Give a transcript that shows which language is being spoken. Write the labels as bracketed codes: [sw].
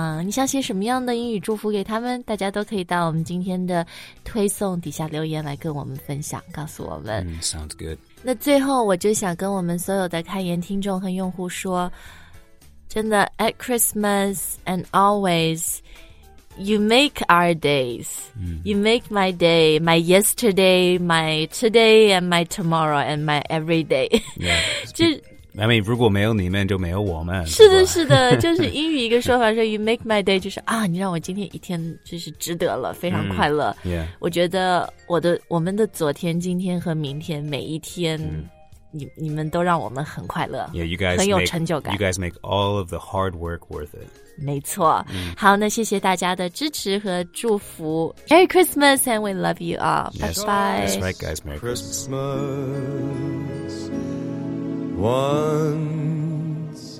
[zh] 你想写什么样的英语祝福给他们？大家都可以到我们今天的推送底下留言来跟我们分享，告诉我们。 [en] Sounds good。 [zh] 那最后，我就想跟我们所有的开言听众和用户说，真的 ， [en] at Christmas and always。 You make our days. You make my day, my yesterday, my today, and my tomorrow, and my every day. Yeah. I mean, [zh] 如果没有你们，就没有我们。是的，是的，就是英语一个说法说 ， [en] You make my day， [zh] 就是啊，你让我今天一天就是值得了，非常快乐。 [en] Yeah. [zh] 我觉得我们的昨天、今天和明天每一天。你们都让我们很快乐 [en] yeah, you guys [zh] 很有成就感 [en] make, You guys make all of the hard work worth it [zh] 没错、好那谢谢大家的支持和祝福 [en] Merry Christmas and we love you all yes, Bye bye That's right guys Merry Christmas